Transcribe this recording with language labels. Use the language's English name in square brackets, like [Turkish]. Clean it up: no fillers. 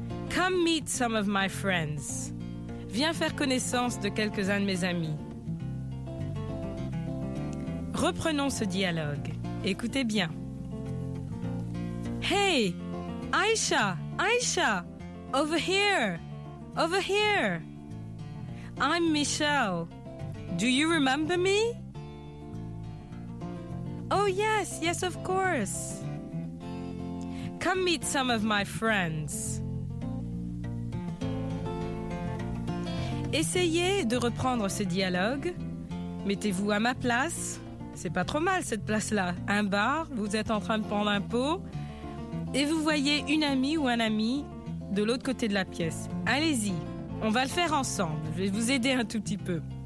[English] Come meet some of my friends. [French] Viens faire connaissance de quelques-uns de mes amis. Reprenons ce dialogue. Écoutez bien. [English] Hey, Aïcha, Aïcha, over here, over here. I'm Michelle. Do you remember me? Oh, yes, yes, of course. Come meet some of my friends. [French] Essayez de reprendre ce dialogue. Mettez-vous à ma place. C'est pas trop mal, cette place-là. Un bar, vous êtes en train de prendre un pot. Et vous voyez une amie ou un ami de l'autre côté de la pièce. Allez-y, on va le faire ensemble. Je vais vous aider un tout petit peu.